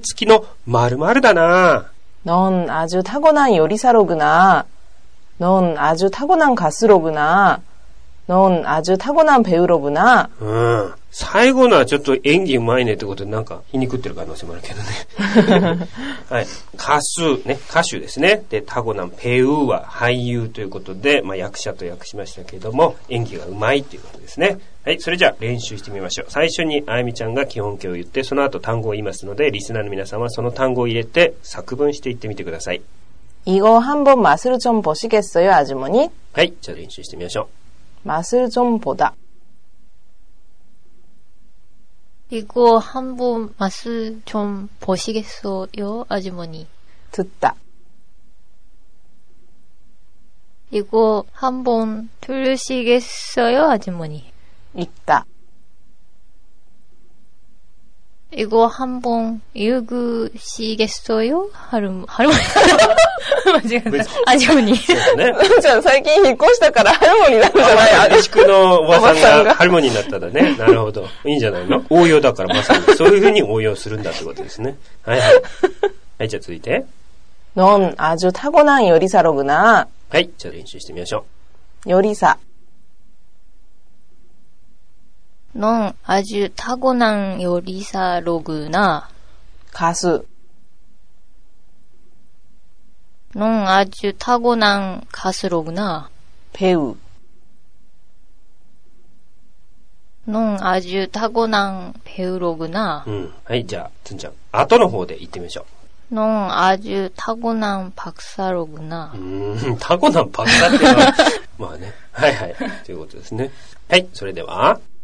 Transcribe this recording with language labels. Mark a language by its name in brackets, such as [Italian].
[Japanese] 続いて、これはもう最高の褒め言葉ですね。お前は全く生まれつきの〇〇だな。 [Korean] 넌 아주 타고난 요리사로구나. 넌 아주 타고난 가수로구나. 넌 아주 타고난 배우로구나. [Japanese] 最後のはちょっと演技うまいねってことでなんか皮肉ってる可能性もあるけどね。はい、歌手ね、歌手ですね。でタゴナンペウは俳優ということで、まあ役者と訳しましたけれども演技がうまいということですね。はい、それじゃあ練習してみましょう。最初にあやみちゃんが基本形を言って、その後単語を言いますので、リスナーの皆さんはその単語を入れて作文していってみてください。 [Korean] 이거 한번 맛을 좀 보시겠어요, 아주머니? [Japanese] はい、じゃあ練習してみましょう。 [Korean] 맛을 좀 보다. 이거 한번 맛을 좀 보시겠어요, 아주머니? 듣다. 이거 한번 들으시겠어요, 아주머니? 읽다. 이거 한번 읽으시겠어요, 할머니? 맞습니다, 아주머니. 아주머니 최근에 [Japanese] 引っ越した [Korean] から 할머니라는 거잖아요. [Japanese] 西区の おばさんが 할머니になったらね。なるほど、 いいんじゃないの。応用だから まさにそういうふうに 応用するんだってことですね。はいはい。はい、じゃあ続いて。 [Korean] 넌 아주 타고난 요리사로구나. [Japanese] はい、じゃあ練習してみましょう。 [Korean] 요리사. 넌 아주 타고난 요리사로구나. 가수. 넌 아주 타고난 가수로구나. 배우. 넌 아주 타고난 배우로구나. [Japanese] はい、じゃあ、つんちゃん。後の方で言ってみましょう。 [Korean] 넌 아주 타고난 박사로구나. 타고난 박사 [Japanese] っていうのは、まあね。はいはい。ということですね。はい、それでは。